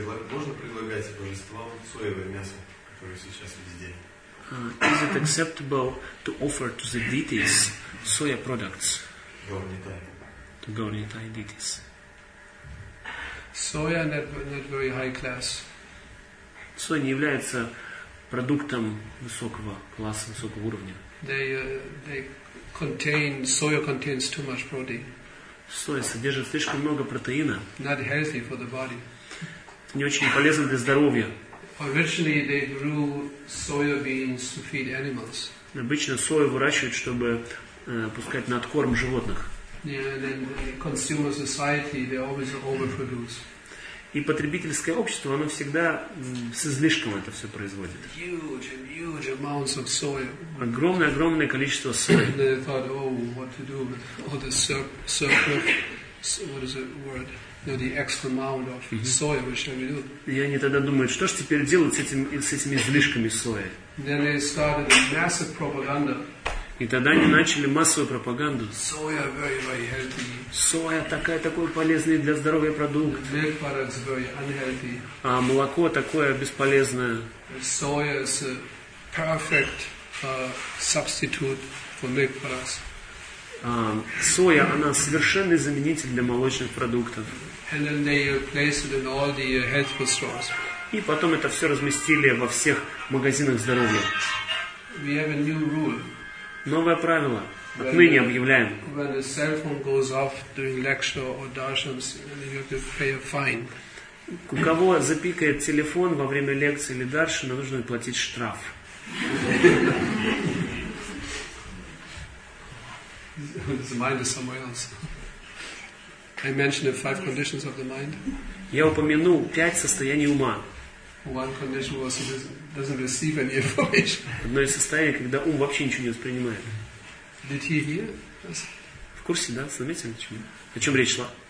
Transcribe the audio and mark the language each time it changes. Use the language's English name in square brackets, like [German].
[Russian] Можно предлагать божествам соевое мясо, которое сейчас везде? [English] Is it acceptable to offer to the deities soya products? Gaur Nitai. To Gaur Nitai deities. Soya not very high class. [Russian] Соя не является продуктом высокого класса, высокого уровня. [English] They contain, soya contains too much protein. [Russian] Соя содержит слишком много протеина. [English] Not healthy for the body. [Russian] Не очень полезно для здоровья. [English] Originally they grew soya beans to feed animals. [Russian] Обычно сою выращивают, чтобы пускать на откорм животных. [English] Yeah, and the consumer society, they always overproduce. [Russian] И потребительское общество, оно всегда с излишком это все производит. [English] Huge amounts of soya. [Russian] Огромное количество сои. [English] They thought, oh, what to do with all the surplus, what is the word? The extra amount of soya, what shall we do? [Russian] И они тогда думают, что ж теперь делать с этими излишками сои? [English] Then they started a massive propaganda. [Russian] И тогда они начали массовую пропаганду. [English] Soya very, very healthy. [Russian] Соя такой полезный для здоровья продукт. [English] Milk products very unhealthy. [Russian] А молоко такое бесполезное. [English] Soya is a perfect substitute for milk products. [Russian] Соя, она совершенный заменитель для молочных продуктов. [English] And then they placed it in all the health food stores. [Russian] И потом это все разместили во всех магазинах здоровья. [English] We have a new rule. [Russian] Новое правило. Отныне объявляем. [English] When the cell phone goes off during lecture or darshans, you have to pay a fine. [Russian] У кого запикает телефон во время лекции или даршана, нужно платить штраф. [English] The mind is somewhere else. I mentioned the five conditions of the mind. [Russian] Я упомянул пять состояний ума. [English] One condition was doesn't receive any information. [Russian] Одно из состояний, когда ум вообще ничего не воспринимает. [English] Did he hear? [Russian] В курсе, да? Заметили, о чем речь шла?